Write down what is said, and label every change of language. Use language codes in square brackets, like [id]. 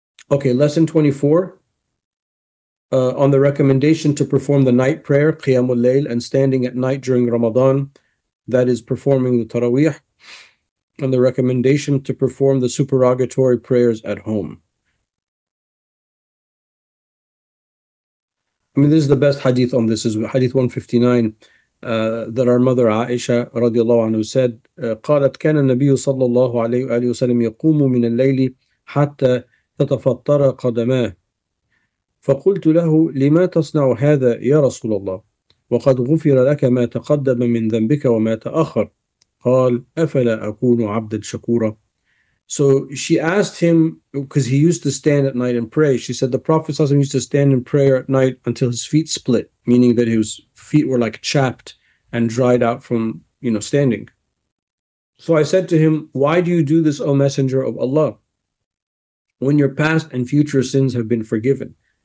[en] Okay, lesson 24. On the recommendation to perform the night prayer, Qiyam al-Layl, and standing at night during Ramadan, that is performing the Taraweeh, and the recommendation to perform the supererogatory prayers at home. I mean, this is the best hadith on this, is hadith 159, that our mother Aisha radiallahu anhu said, [ar] قَالَتْ كَانَ النَّبِيُّ صَلَّى اللَّهُ عَلَيْهُ وَسَلَّمَ يَقُومُ مِنَ اللَّيْلِ حَتَّى تَتَفَطَّرَ قَدَمَاهُ فقلت له لما تصنع هذا يا رسول الله وقد غفر لك ما تقدم من ذنبك وما تأخر قال أفلا أكون عبدا شكورا. [en] So she asked him, because he used to stand at night and pray. She said the Prophet ﷺ used to stand in prayer at night until his feet split, meaning that his feet were like chapped and dried out from, you know, standing. So I said to him, why do you do this, O Messenger of Allah, when your past and future sins have been forgiven?